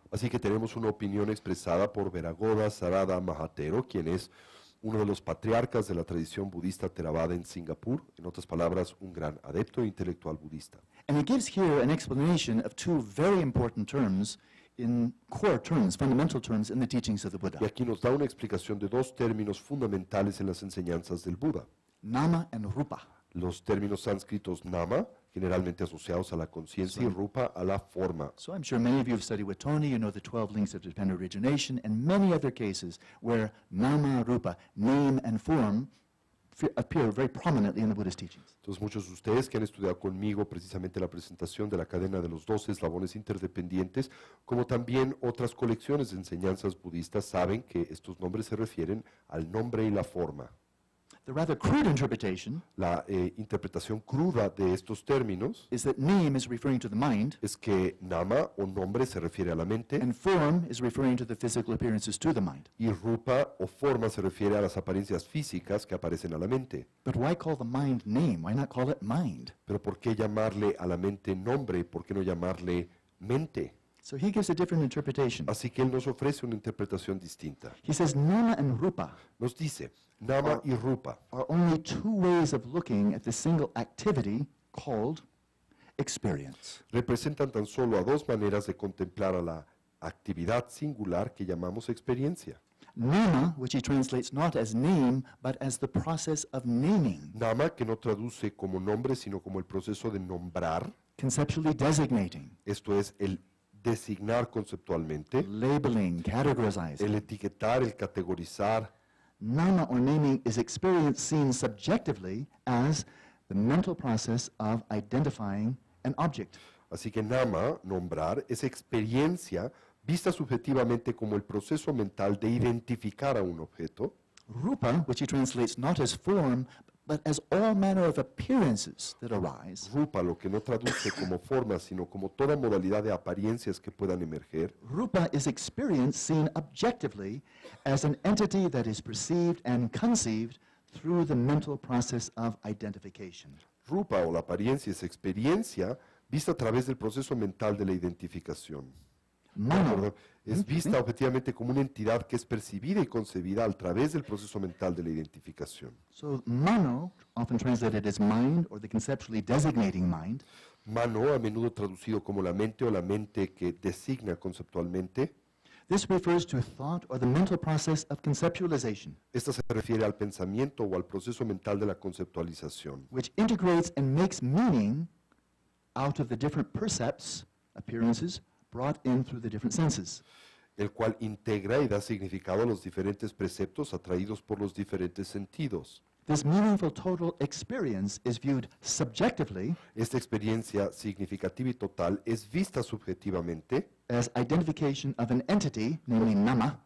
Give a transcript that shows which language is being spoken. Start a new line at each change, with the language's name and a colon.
Spanish: Así que tenemos una opinión expresada por Weregoda Sarada Mahathero, quien es uno de los patriarcas de la tradición budista Theravada en Singapur. En otras palabras, un gran adepto e intelectual budista.
English: And he gives here an explanation of two very important terms in core terms, fundamental terms, in the teachings of the Buddha.
Spanish: Y aquí nos da una explicación de dos términos fundamentales en las enseñanzas del Buda.
English: Nama and Rupa.
Spanish: Los términos sánscritos nama, generalmente asociados a la conciencia, y Rupa, a la forma.
English: So I'm sure many of you have studied with Tony, you know the 12 links of dependent origination, and many other cases where nama, Rupa, name and form, appear very prominently in the Buddhist teachings.
Spanish: Entonces muchos de ustedes que han estudiado conmigo precisamente la presentación de la cadena de los 12 eslabones interdependientes, como también otras colecciones de enseñanzas budistas, saben que estos nombres se refieren al nombre y la forma.
English: The rather crude interpretation,
Spanish: la interpretación cruda de estos términos,
English: is that name is referring to the mind,
Spanish: es que nama o nombre se refiere a la mente,
English: and form is referring to the physical appearances to the mind.
Spanish: Y rupa o forma se refiere a las apariencias físicas que aparecen a la mente.
English: But why call the mind name? Why not call it mind?
Spanish: Pero ¿por qué llamarle a la mente nombre? ¿Por qué no llamarle mente?
English: So he gives a different interpretation.
Spanish: Así que él nos ofrece una interpretación distinta.
English: He says nama and rupa.
Spanish: Nos dice nama y rupa.
English: Are only two ways of looking at the single activity called experience.
Spanish: Representan tan solo a dos maneras de contemplar a la actividad singular que llamamos experiencia.
English: Nama, which he translates not as name, but as the process of naming.
Spanish: Nama, que no traduce como nombre, sino como el proceso de nombrar.
English: Conceptually designating.
Spanish: Esto es el designar conceptualmente,
English: labeling, categorizing,
Spanish: el etiquetar, el categorizar.
English: Nama or naming is experience seen subjectively as the mental process of identifying an object.
Spanish: Así que nama, nombrar, es experiencia vista subjetivamente como el proceso mental de identificar a un objeto.
English: Rupa, which he translates not as form, but as all manner of appearances that arise.
Spanish: Rupa, lo que no traduce como forma, sino como toda modalidad de apariencias que puedan emerger.
English: Rupa is experience seen objectively as an entity that is perceived and conceived through the mental process of identification.
Spanish: Rupa, o la apariencia, es experiencia vista a través del proceso mental de la identificación.
English: Mano.
Spanish: Es vista objetivamente como una entidad que es percibida y concebida a través del proceso mental de la identificación.
English: So, mano, often translated as mind or the conceptually designating mind.
Spanish: Mano, a menudo traducido como la mente o la mente que designa conceptualmente.
English: This refers to thought or the mental process of conceptualization.
Spanish: Esta se refiere al pensamiento o al proceso mental de la conceptualización.
English: Which integrates and makes meaning out of the different percepts, appearances, brought in through the different senses.
Spanish: El cual integra y da significado a los diferentes preceptos atraídos por los diferentes sentidos.
English: This meaningful total experience is viewed subjectively.
Spanish: Esta experiencia significativa y total es vista subjetivamente.
English: As identification of an entity, namely nama,